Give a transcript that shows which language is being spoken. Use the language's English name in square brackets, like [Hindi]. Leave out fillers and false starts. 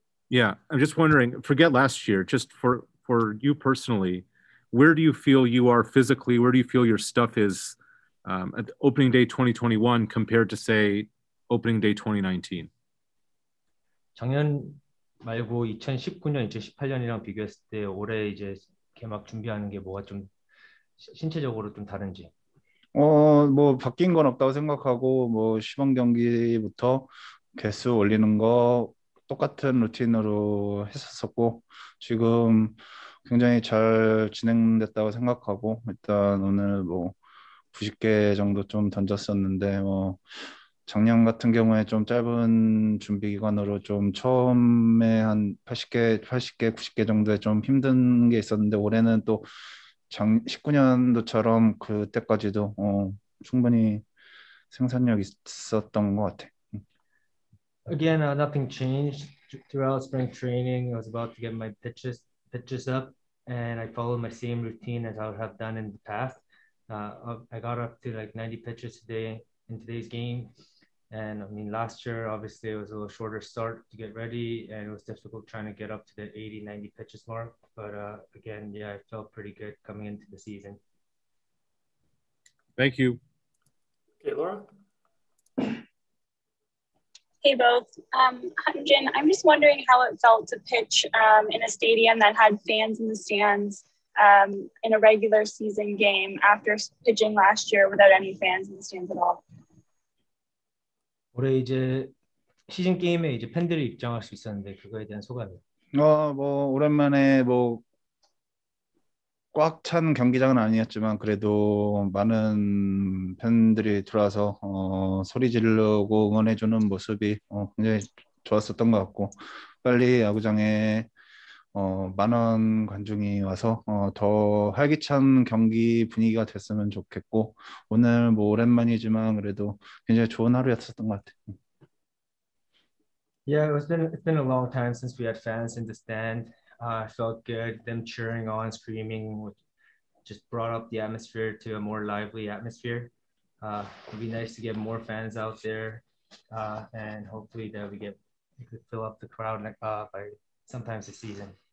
[English] Yeah, I'm just wondering, forget last year, just for you personally, where do you feel you are physically? Where do you feel your stuff is at opening day 2021 compared to say opening day 2019? [Korean] 작년 말고 2019년, 2018년이랑 비교했을 때 올해 이제 개막 준비하는 게 뭐가 좀 신체적으로 좀 다른지. 뭐 바뀐 건 없다고 생각하고 뭐 시범 경기부터 개수 올리는 거 똑같은 루틴으로 했었었고 지금 굉장히 잘 진행됐다고 생각하고 일단 오늘 뭐 90개 정도 좀 던졌었는데 뭐 작년 같은 경우에 좀 짧은 준비 기간으로 좀 처음에 한 80개, 90개 정도에 좀 힘든 게 있었는데 올해는 또 19년도처럼 그때까지도 충분히 생산력 있었던 것 같아. [English] Again, nothing changed throughout spring training. I was about to get my pitches up, and I followed my same routine as I would have done in the past. I got up to like 90 pitches today in today's game. And I mean, last year, obviously, it was a little shorter start to get ready, and it was difficult trying to get up to the 80, 90 pitches mark. But again, yeah, I felt pretty good coming into the season. Thank you. Okay, Laura? Hey, both. Hyunjin, I'm just wondering how it felt to pitch in a stadium that had fans in the stands in a regular season game after pitching last year without any fans in the stands at all. [Korean] 올해 이제 시즌 게임에 이제 팬들이 입장할 수 있었는데 그거에 대한 소감이요? 뭐 오랜만에 뭐 꽉 찬 경기장은 아니었지만 그래도 많은 팬들이 들어와서 소리 지르고 응원해주는 모습이 굉장히 좋았었던 것 같고 빨리 야구장에 만원 관중이 와서 더 활기찬 경기 분위기가 됐으면 좋겠고 오늘 뭐 오랜만이지만 그래도 굉장히 좋은 하루였었던 것 같아요. [English] Yeah, it's been a long time since we had fans in the stand. I felt good them cheering on, screaming, which just brought up the atmosphere to a more lively atmosphere. It'd be nice to get more fans out there, and hopefully that we could fill up the crowd by sometimes this season.